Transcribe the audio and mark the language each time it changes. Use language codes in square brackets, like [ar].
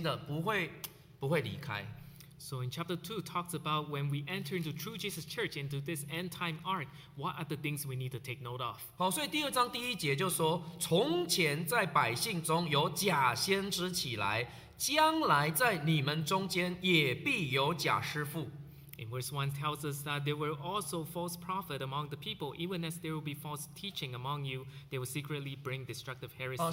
[zh] 那第二章彼得后书第二章讲到，其实一个重点就是说，当我们进入到真耶稣教会之后，进入到这个末世的方舟之后，有什么要小心的，不会离开。 [en] So in chapter 2 talks about when we enter into true Jesus Church into this end time ark, what are the things we need to take note of? [zh] 好，所以第二章第一节就说，从前在百姓中有假先知起来。将来在你们中间也必有假师父。 [en] In verse 1 tells us that there were also false prophets among the people. Even as there will be false teaching among you, they will secretly bring destructive heresy.